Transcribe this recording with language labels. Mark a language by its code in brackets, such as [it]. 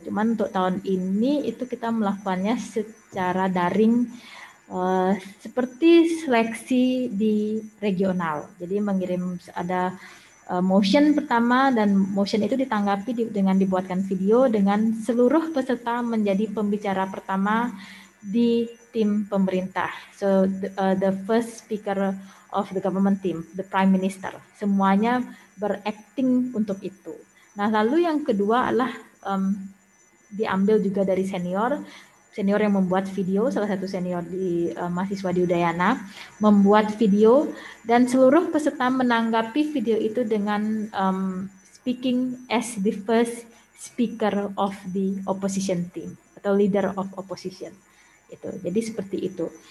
[id] Cuman untuk tahun ini itu kita melakukannya secara daring seperti seleksi di regional. Jadi mengirim ada motion pertama dan motion itu ditanggapi dengan dibuatkan video dengan seluruh peserta menjadi pembicara pertama di tim pemerintah. [en] So the first speaker of the government team, the prime minister. [id] Semuanya beracting untuk itu. Nah lalu yang kedua adalah diambil juga dari senior yang membuat video, salah satu senior di mahasiswa di Udayana, membuat video dan seluruh peserta menanggapi video itu dengan [en] speaking as the first speaker of the opposition team [id] atau leader of opposition. Itu. Jadi seperti itu.